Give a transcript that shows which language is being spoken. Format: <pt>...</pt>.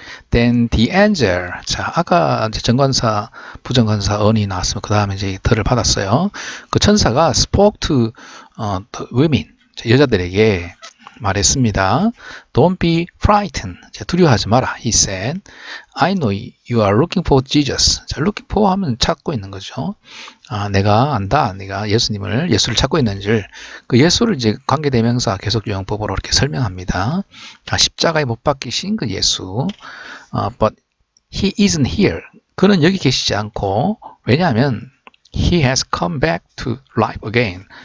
<en>Then the angel.</en> <ko>자, 아까 이제 정관사, 부정관사 언이 나왔으면 그 다음에 이제 덜을 받았어요. 그 천사가</ko> <en>spoke to, the women.</en> <ko>자, 여자들에게 말했습니다.</ko> <en>Don't be frightened.</en> <ko>두려워하지 마라.</ko> <en>He said, I know you are looking for Jesus.</en> <ko>자, looking for 하면 찾고 있는 거죠. 아, 내가 안다. 네가 예수님을, 예수를 찾고 있는지를. 그 예수를 이제 관계대명사 계속 유형법으로 이렇게 설명합니다. 아, 십자가에 못 박히신 그 예수.</ko> <en>But he isn't here.</en> <ko>그는 여기 계시지 않고, 왜냐하면</ko> <en>he has come back to life again.</en>